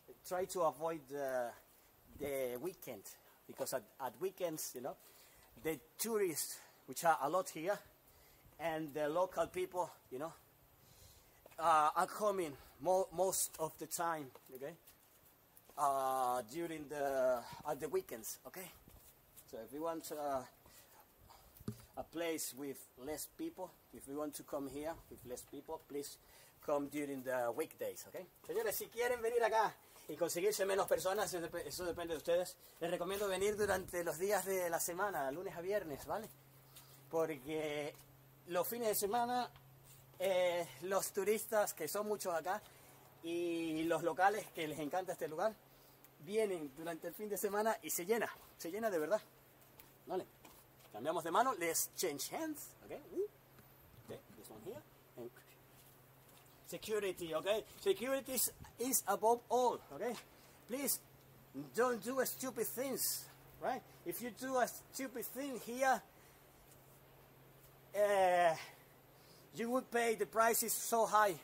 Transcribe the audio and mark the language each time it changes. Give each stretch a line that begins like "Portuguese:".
English: Try to avoid the weekend, because at weekends, you know, the tourists, which are a lot here, and the local people, you know, are coming most of the time, okay? During the weekends, okay? So if we want a place with less people, if we want to come here with less people, please come during the weekdays, okay?
Spanish: Señores, si quieren venir acá y conseguirse menos personas, eso depende de ustedes, les recomiendo venir durante los días de la semana, lunes a viernes, ¿vale? Porque los fines de semana, los turistas, que son muchos acá, y los locales, que les encanta este lugar, vienen durante el fin de semana y se llena de verdad. Vale, cambiamos de mano,
English: let's change hands,
Spanish: ok, okay.
English: This one here, and security, ok, security is above all, ok, please, don't do stupid things, right, if you do a stupid thing here, you would pay the prices so high.